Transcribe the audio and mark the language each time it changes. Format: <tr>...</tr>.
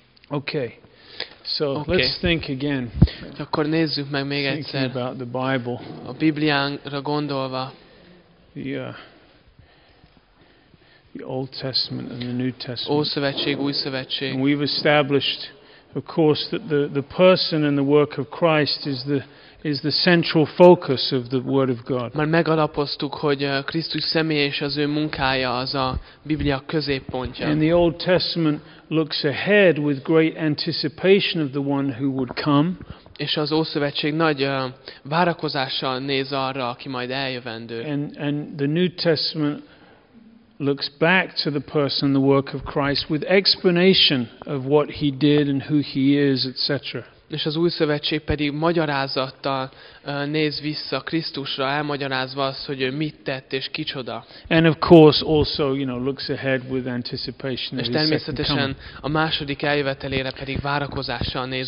<en>Okay. So okay. Let's think again.</en> <hu>Akkor nézzük meg még</hu> <en>thinking</en> <hu>egyszer.</hu> <en>About the Bible.</en> <hu>A Bibliára gondolva.</hu> <en>The Old Testament and the New Testament.</en> <hu>Ószövetség, Újszövetség.</hu> <en>And we've established, of course, that the person and the work of Christ is the central focus of the Word of God.</en> <hu>Már megalapoztuk, hogy Krisztus személy és az ő munkája az a Biblia középpontja.</hu> <en>And the Old Testament looks ahead with great anticipation of the one who would come.</en> <hu>És az Ószövetség nagy várakozással néz arra, aki majd eljövendő.</hu> <en>And the New Testament looks back to the person and the work of Christ with explanation of what he did and who he is, etc.</en> <hu>És az Újszövetség pedig magyarázattal néz vissza Krisztusra, elmagyarázva azt, hogy ő mit tett és kicsoda.</hu> <en>And of course also, you know, looks ahead with anticipation.</en> <hu>És természetesen a második eljövetelére pedig várakozással néz</hu>